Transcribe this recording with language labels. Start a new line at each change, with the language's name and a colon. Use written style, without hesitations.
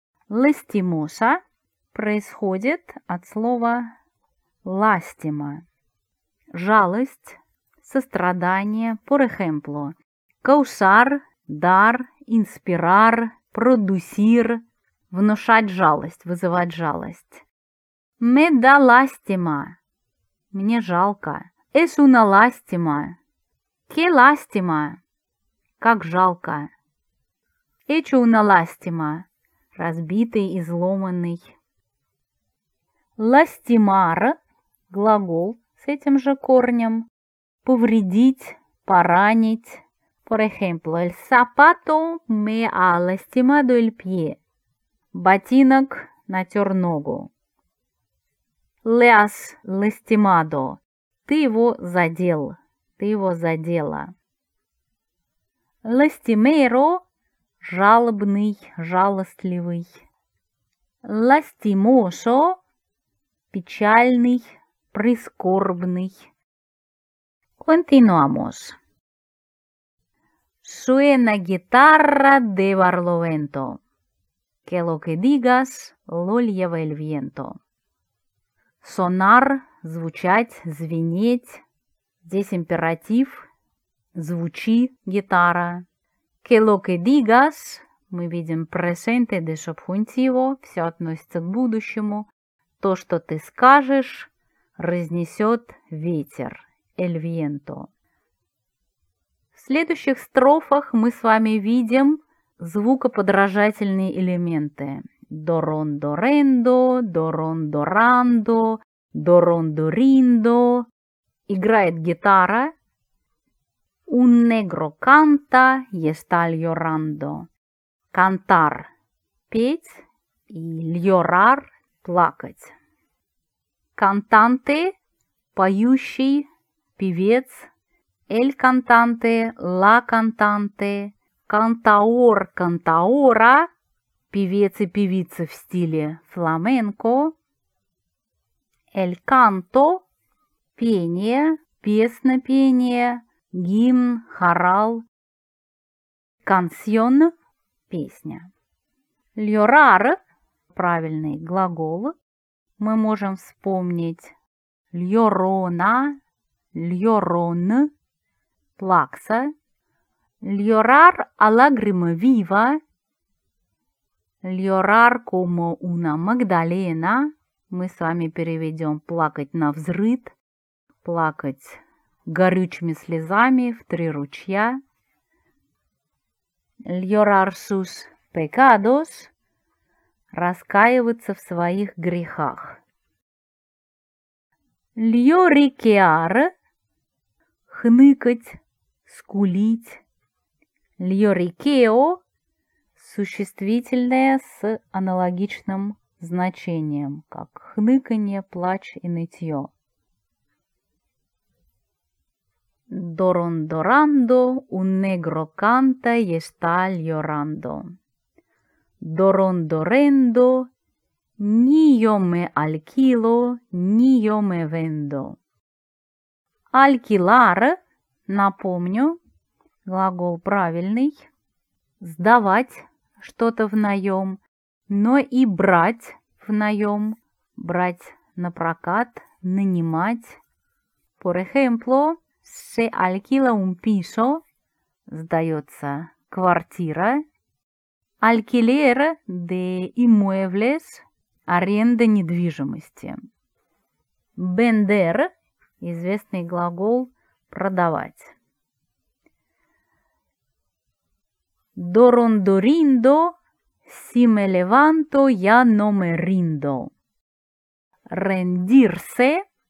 Russian: Lastimosa происходит от слова «ластима». Жалость, сострадание,
Spanish: por ejemplo.
Russian: Каусар – дар, инспирар, продусир – внушать жалость, вызывать жалость.
Spanish: Me da lástima –
Russian: мне жалко.
Spanish: Es una lástima – que lástima –
Russian: как жалко.
Spanish: Hecho una lástima –
Russian: разбитый, изломанный. Lastimar – глагол с этим же корнем. Повредить, поранить.
Spanish: Por ejemplo, el zapato me ha lastimado el pie.
Russian: Ботинок натер ногу.
Spanish: Le has lastimado.
Russian: Ты его задел. Ты его задела. Lastimero – жалобный, жалостливый. Lastimoso – печальный, прискорбный.
Spanish: Continuamos. Suena guitarra de Barlovento. Que lo que digas lo lleva el viento.
Russian: Sonar – звучать, звенеть. Здесь императив. звучи гитара.
Spanish: Que lo que digas,
Russian: мы видим
Spanish: presente de subjuntivo,
Russian: все относится к будущему. То, что ты скажешь, разнесет ветер,
Spanish: el viento.
Russian: В следующих строфах мы с вами видим звукоподражательные элементы. Дорон-дорендо, дорон-дорандо, дорон-дориндо. Играет гитара.
Spanish: Un negro canta y está llorando.
Russian: Cantar – петь, и llorar – плакать. Cantante – поющий, певец.
Spanish: El cantante, la cantante.
Russian: Cantaor, cantaora – певец и певица в стиле фламенко. El canto – пение, песнопение. Гимн, хорал, canción, песня. Llorar, правильный глагол, мы можем вспомнить llorona, llorón, плакса.
Spanish: Llorar a lágrima viva, llorar como una magdalena,
Russian: мы с вами переведем плакать на взрыд, плакать горючими слезами в три ручья.
Spanish: Llorar sus pecados.
Russian: Раскаиваться в своих грехах. Lloriquear. Хныкать, скулить.
Spanish: Lloriqueo.
Russian: Существительное с аналогичным значением, как хныканье, плач и нытье.
Spanish: Дорон-дорандо, un negro canta y está llorando. Дорон-дорендо, ni yo me alquilo, ni yo me vendo.
Russian: Alquilar, напомню, глагол правильный, сдавать что-то в наем, но и брать в наем, брать на прокат, нанимать.
Spanish: Por ejemplo, se alquila un piso,
Russian: сдается квартира.
Spanish: Alquiler de inmuebles,
Russian: аренда недвижимости. Vender, известный глагол, продавать.
Spanish: Dorondorindo, si me levanto, ya no me rindo. Rendirse.